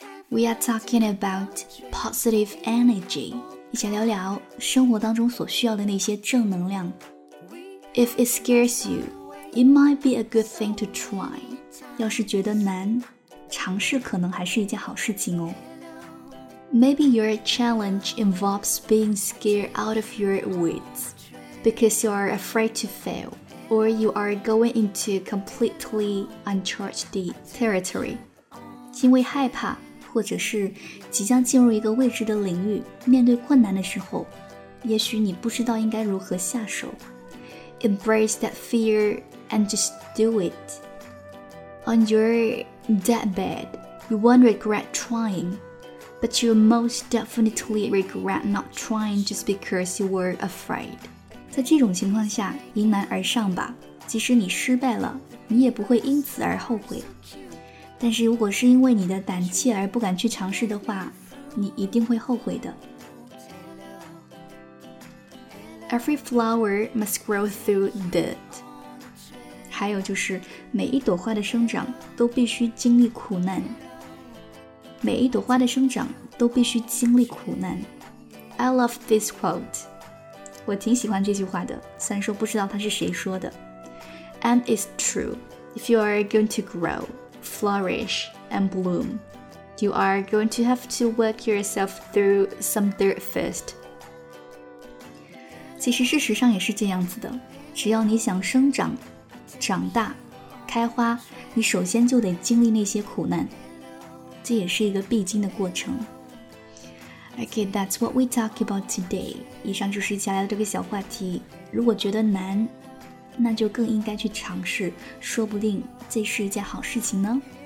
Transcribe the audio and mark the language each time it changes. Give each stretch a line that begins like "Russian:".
English: We are talking about positive energy，
Chinese: 一起聊聊生活当中所需要的那些正能量。
English: If it scares you, it might be a good thing to try。
Chinese: 要是觉得难，尝试可能还是一件好事情哦。
English: Maybe your challenge involves being scared out of your wits because you are afraid to fail or you are going into completely uncharted territory.
Chinese: 因为害怕或者是即将进入一个未知的领域，面对困难的时候，也许你不知道应该如何下手。
English: Embrace that fear and just do it. On your deathbed, you won't regret trying. But you most definitely regret not trying just because you were afraid.
Chinese: 在这种情况下，迎难而上吧。即使你失败了，你也不会因此而后悔。但是如果是因为你的胆怯而不敢去尝试的话，你一定会后悔的。
English: Every flower must grow through dirt.
Chinese: 还有就是，每一朵花的生长都必须经历苦难。每一朵花的生长都必须经历苦难。
English: I love this quote.
Chinese: 我挺喜欢这句话的，虽然说不知道它是谁说的。
English: And it's true. If you are going to grow, flourish, and bloom, you are going to have to work yourself through some dirt first.
Chinese: 其实事实上也是这样子的，只要你想生长、长大、开花，你首先就得经历那些苦难。这也是一个必经的过程。
English: Okay, that's what we talk about today.
Chinese: 以上就是接下来的这个小话题。如果觉得难，那就更应该去尝试，说不定这是一件好事情呢。